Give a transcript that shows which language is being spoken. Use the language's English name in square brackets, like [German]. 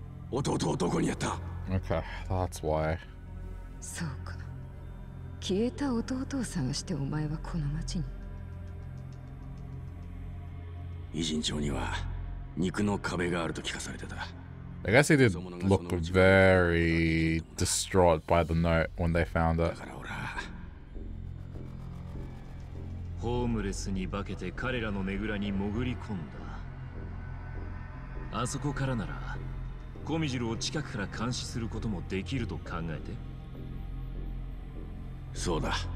[Japanese] 弟をどこにやった [English] Okay, that's why. [Japanese] そうか。消えた弟を探してお前はこの町に。偉人町には肉の壁があると聞かされてた。 [English] I guess he did look very distraught by the note when they found it. [Japanese] ホームレスに化けて彼らのねぐらに潜り込んだ。あそこからなら、コミジルを近くから監視することもできると考えて。そうだ。